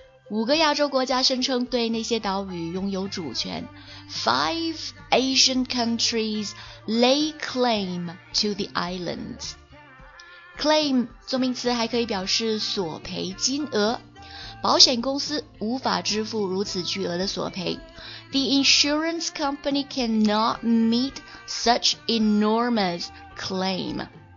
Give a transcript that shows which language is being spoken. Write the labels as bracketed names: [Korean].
[Chinese] 五个亚洲国家声称对那些岛屿拥有主权。 [English] Five Asian countries lay claim to the islands. [Chinese] Claim 做名词还可以表示索赔金额。保险公司无法支付如此巨额的索赔。 [English] The insurance company cannot meet such enormous claim.